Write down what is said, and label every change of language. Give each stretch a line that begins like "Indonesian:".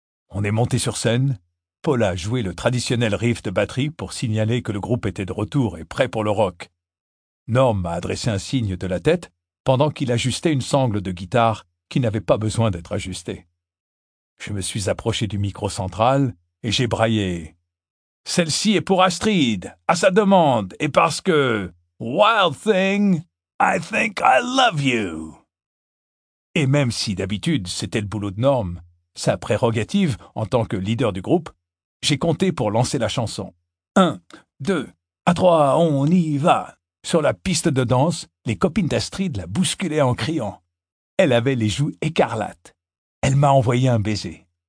French: On est monté sur scène. Paula a joué le traditionnel riff de batterie pour signaler que le groupe était de retour et prêt pour le rock. Norm m'a adressé un signe de la tête pendant qu'il ajustait une sangle de guitare qui n'avait pas besoin d'être ajustée. Je me suis approché du micro central et j'ai braillé. « Celle-ci est pour Astrid, à sa demande, et parce que...
English: Wild Thing, I think I love you !»
French: Et même si d'habitude c'était le boulot de Norm, sa prérogative en tant que leader du groupe, j'ai compté pour lancer la chanson. 1, 2, 3, on y va. Sur la piste de danse, les copines d'Astrid la bousculaient en criant. Elle avait les joues écarlates. Elle m'a envoyé un baiser.